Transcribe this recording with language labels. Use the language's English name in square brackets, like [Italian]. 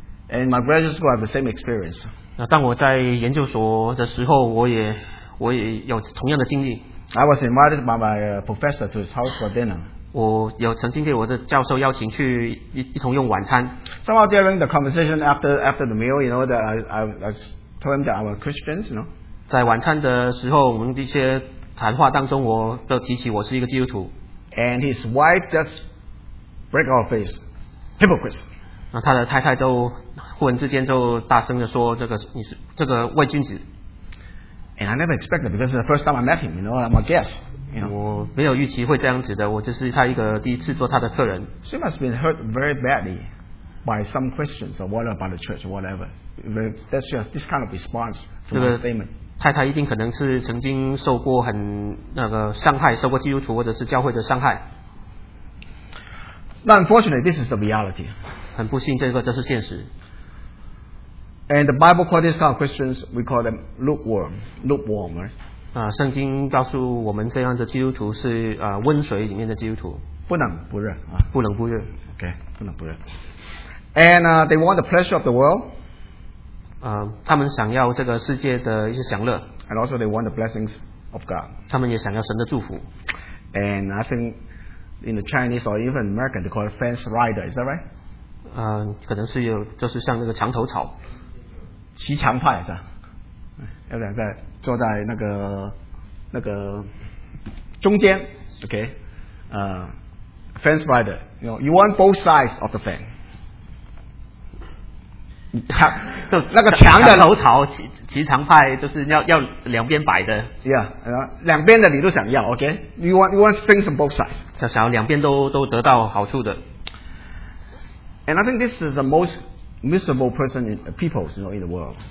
[English] And my graduate school have the same experience. [Chinese] 那当我在研究所的时候，我也有同样的经历。 [English] I was invited by my professor to his house for dinner. [Chinese] 我有曾经被我的教授邀请去一同用晚餐。 [English] Somehow during the conversation after the meal, you know that I told him that I was Christians, you know. [Chinese] 在晚餐的时候，我们一些谈话当中，我都提起我是一个基督徒。 [English] And his wife just break our face, hypocrite. [Chinese] 那他的太太就忽然之间就大声的说：“这个你是这个伪君子。” [English] And I never expected because the first time I met him, you know, I'm a guest. You know? [Chinese] 我没有预期会这样子的，我就是他一个第一次做他的客人。 [English] She must have been hurt very badly by some Christians or what about the church or whatever. That she has this kind of response to the statement. [Chinese] 太太一定可能是曾经受过很那个伤害，受过基督徒或者是教会的伤害。 [English] But unfortunately, this is the reality. [Chinese] 很不幸，这个就是现实。 [English] And the Bible calls these kind of Christians, we call them lukewarm, lukewarm, right? [Chinese] 圣经告诉我们这样的基督徒是温水里面的基督徒，不冷不热啊，不冷不热。 Okay, 不冷不热。 [English] And they want the pleasure of the world. [Chinese] 他们想要这个世界的一些享乐。 [English] And also they want the blessings of God. [Chinese] 他们也想要神的祝福。 [English] And I think in the Chinese or even American, they call it fence rider. Is that right? [Chinese] 可能是有，就是像那个墙头草，骑墙派是吧？有两个坐在那个中间 ，OK， [English] fence rider， you know, you want both sides of the fence， [Chinese] 就那个墙的头草骑墙派就是要两边摆的 [English] ，Yeah， [Chinese] 两边的你都想要 [English] ，OK， you want things on both sides， [Chinese] 就想要两边都得到好处的。 [English] And I think this is the most miserable person in people, you know, in the world.